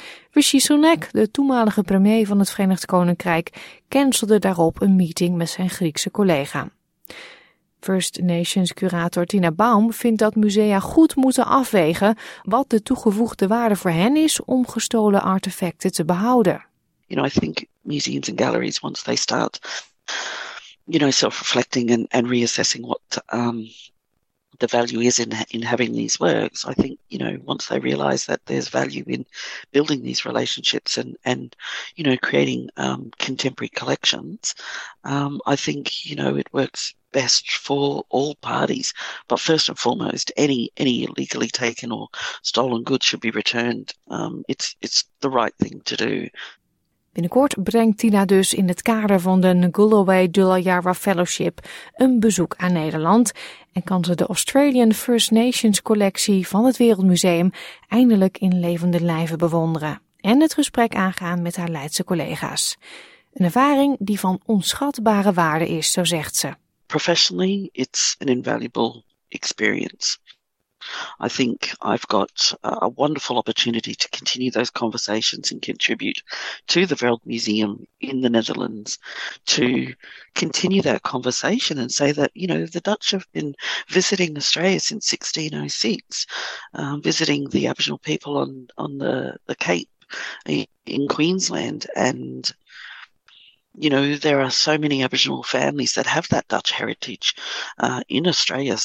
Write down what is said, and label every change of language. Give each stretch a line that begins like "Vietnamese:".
Dutch: Rishi Sunak, de toenmalige premier van het Verenigd Koninkrijk, cancelde daarop een meeting met zijn Griekse collega. First Nations curator Tina Baum vindt dat musea goed moeten afwegen wat de toegevoegde waarde voor hen is om gestolen artefacten te behouden.
English: You know, I think museums and galleries, once they start, self-reflecting and reassessing what the value is in having these works, I think, once they realize that there's value in building these relationships and creating contemporary collections, I think, it works best for all parties, but first and foremost, any illegally taken or stolen goods should be returned. It's the right thing to do.
Dutch: Binnenkort brengt Tina dus in het kader van de Ngulawai Dulayara Fellowship een bezoek aan Nederland en kan ze de Australian First Nations collectie van het Wereldmuseum eindelijk in levende lijven bewonderen en het gesprek aangaan met haar Leidse collega's. Een ervaring die van onschatbare waarde is, zo zegt ze.
English: Professionally, it's an invaluable experience. I think I've got a wonderful opportunity to continue those conversations and contribute to the Vereld Museum in the Netherlands to continue that conversation and say that, you know, the Dutch have been visiting Australia since 1606, visiting the Aboriginal people on the Cape in Queensland, and you know, there are so many Aboriginal families that have that Dutch heritage in Australia.